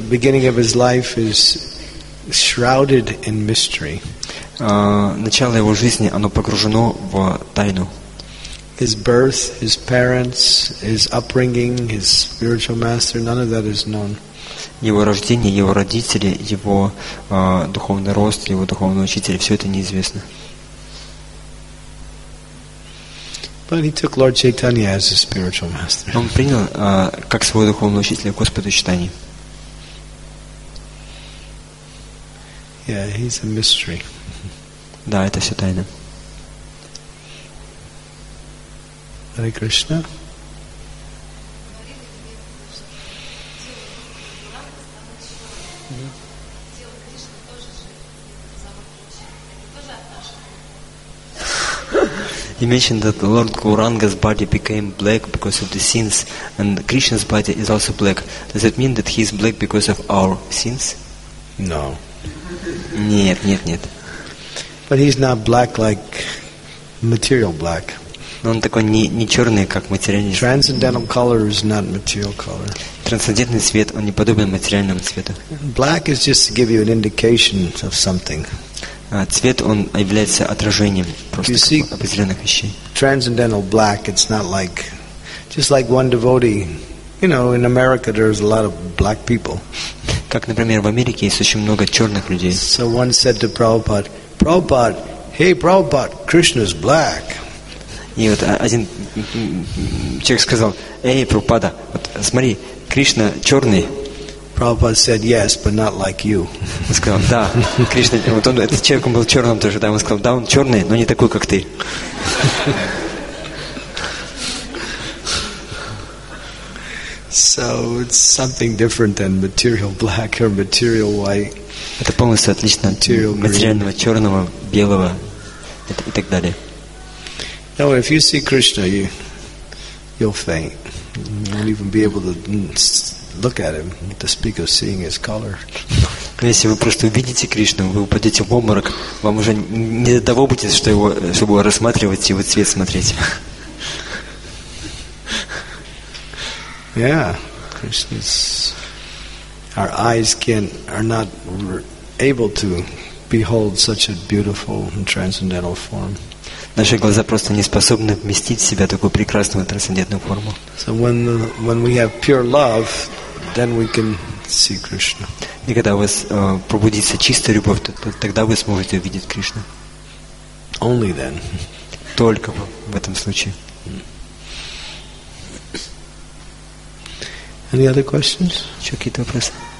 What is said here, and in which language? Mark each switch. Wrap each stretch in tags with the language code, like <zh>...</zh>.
<en>The beginning of his life is shrouded in mystery.</en> <ru>Начало его жизни, оно погружено в тайну.</ru> <en>His birth, his parents, his upbringing, his spiritual master, none of that is known.</en> <ru>Его рождение, его родители, его духовный рост, его духовный учитель, все это неизвестно.</ru> <en>But he took Lord Chaitanya as his spiritual master.</en> <ru>Он принял как своего духовного учителя Господа Чайтани.</ru> <en>Yeah, he's a mystery.</en> <ru>Да, это все тайна.</ru> <en>Hare Krishna. You mentioned that Lord Gauranga's body became black because of the sins, and Krishna's body is also black. Does it mean that he is black because of our sins? No.</en> <ru>Нет, нет, нет.</ru> <en>But he's not black like material black.</en> <ru>Он такой не черный, как материальный.</ru> <en>Transcendental color is not material color.</en> <ru>Трансцендентный цвет, он не подобен материальному цвету.</ru> <en>Black is just to give you an indication of something.</en> <ru>Цвет, он является отражением просто определенных вещей.</ru> <en>Transcendental black, it's not like, just like one devotee. You know, in America there's a lot of black people.</en> <ru>Как, например, в Америке есть очень много черных людей.</ru> <en>So one said to Prabhupada, Prabhupada, hey Prabhupada, Krishna's black.</en> <ru>И вот один человек сказал, эй, Прабхупада, вот смотри, Кришна черный.</ru> <en>Prabhupada said yes, but not like you.</en> <ru>Он сказал, да, Кришна, вот он, этот человек, он был черным тоже, да, он сказал, да, он черный, но не такой, как ты.</ru> <en>So it's something different than material black or material white.</en> <ru>Это полностью отлично от материального черного, белого и так далее.</ru> <en>Now, if you see Krishna, you'll faint. You won't even be able to look at him, to speak of seeing his color.</en> <ru>Если вы просто увидите Кришну, вы упадете в обморок, вам уже не до того будет, чтобы рассматривать его цвет смотреть.</ru> <en>Yeah, Krishna's. Our eyes are not able to behold such a beautiful and transcendental form.</en> <ru>Наши глаза просто не способны вместить в себя такую прекрасную трансцендентную форму.</ru> <en>So when we have pure love, then we can see Krishna.</en> <ru>И когда у вас пробудится чистая любовь, тогда вы сможете увидеть Кришну.</ru> <en>Only then.</en> <ru>Только в этом случае.</ru> <en>Any other questions?</en> <ru>Еще какие-то вопросы?</ru>